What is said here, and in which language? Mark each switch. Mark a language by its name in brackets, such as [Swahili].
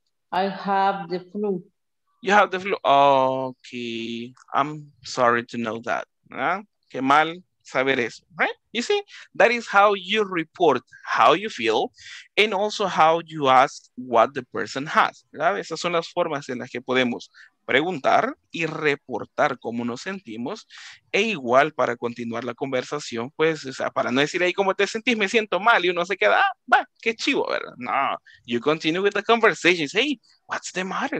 [English] I have the flu. You have the flu? Okay. I'm sorry to know that. [Spanish] Qué mal. Saber eso, [English] right? You see, that is how you report how you feel and also how you ask what the person has, [Spanish] ¿verdad? Esas son las formas en las que podemos preguntar y reportar cómo nos sentimos e igual para continuar la conversación, pues, o sea, para no decir ahí cómo te sentís, me siento mal y uno se queda, va, qué chivo, ¿verdad? [English] No, you continue with the conversation, say, hey, what's the matter?